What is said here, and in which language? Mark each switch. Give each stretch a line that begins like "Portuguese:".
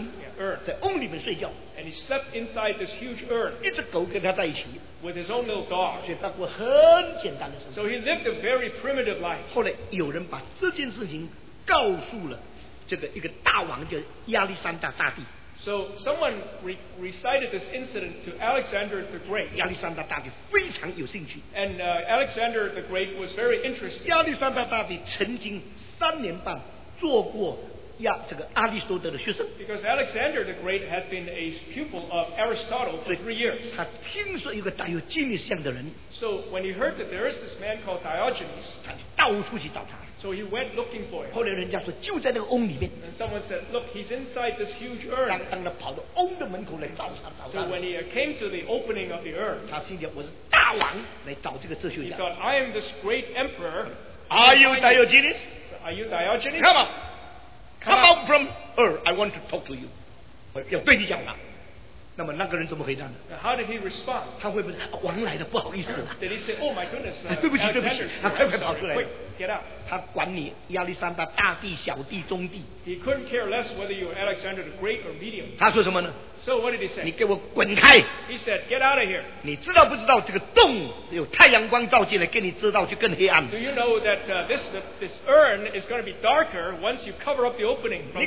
English: Yeah, urn.
Chinese: 在瓮里面睡觉。
English: And he slept inside this huge urn.
Chinese: 一只狗跟他在一起。
English: With his own little dog.
Chinese: 所以他过很简单的生活。
English: So he lived a very primitive life.
Chinese: 后来有人把这件事情告诉了这个一个大王叫亚历山大大帝。
English: So someone recited this incident to Alexander the Great.
Chinese: 亚历山大大帝非常有兴趣。
English: And Alexander the Great was very interested.
Chinese: 亚历山大大帝曾经三年半做过亚这个阿里斯多德的学生。
English: Because Alexander the Great had been a pupil of Aristotle for 3 years.
Chinese: 他听说有个大有基尼斯样的人。
English: So when he heard that there is this man called Diogenes,
Chinese: 他到处去找他。
English: So he went looking for him.
Chinese: 后来人家说就在那个瓮里面。
English: And someone said, look, he's inside this huge urn.
Chinese: 当他跑到瓮的门口来找他，找他。
English: So when he came to the opening of the urn,
Chinese: 他心里我是大王来找这个哲学家。
English: He thought, I am this great emperor. Are you Diogenes? Are you Diogenes? Come on, come out from urn. I want to talk to you.
Chinese: 要对你讲话。那么那个人怎么回答呢？
English: How did he respond?
Chinese: 他会不会王来了不好意思了？
English: Did he say, oh my goodness,
Chinese: 对不起对不起，他快快跑出来。
English: Get out.
Chinese: 他管你亚历山大大帝小帝中帝。
English: He couldn't care less whether you were Alexander the Great or Medium.
Chinese: 他说什么呢？
English: So what did he say?
Chinese: 你给我滚开。
English: He said, get out of here.
Chinese: 你知道不知道这个洞有太阳光照进来给你遮到就更黑暗。
English: Do you know that this urn is going to be darker once you cover up the opening from the sunlight?